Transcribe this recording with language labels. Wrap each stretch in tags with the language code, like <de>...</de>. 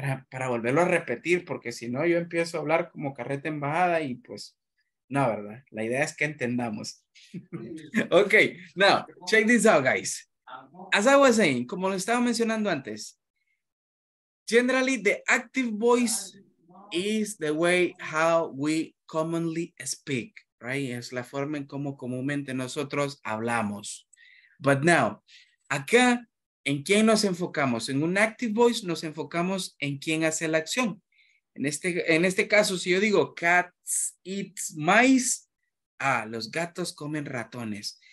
<es>Para volverlo a repetir, porque si no, yo empiezo a hablar como carreta embajada y pues, no, ¿verdad? La idea es que entendamos.</es> <en>Okay, now, check this out, guys. As I was saying,</en> <es>como lo estaba mencionando antes,</es> <en>generally, the active voice is the way how we commonly speak, right?</en> <es>Es la forma en cómo comúnmente nosotros hablamos.</es> <en>But now,</en> <es>acá, ¿en quién nos enfocamos? En un active voice nos enfocamos en quién hace la acción. En este caso, si yo digo</es> <en>cats eat mice,</en> <es>los gatos comen ratones.</es>